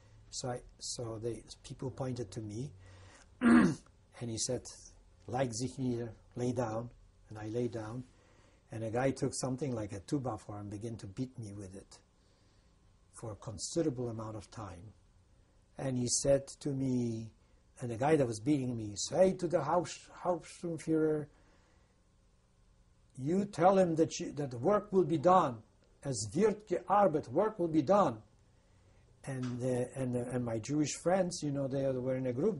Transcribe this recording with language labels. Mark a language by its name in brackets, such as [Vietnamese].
[English] So the people pointed to me, and he said, "Like [German] sich nieder, [English] lay down," and I lay down, and a guy took something like a 2x4 and began to beat me with it for a considerable amount of time. And he said to me, and the guy that was beating me, "Say to the Hauptsturmführer, you tell him that that the work will be done. [German] Es wird gearbeitet, [English] work will be done." And my Jewish friends, you know, they were in a group.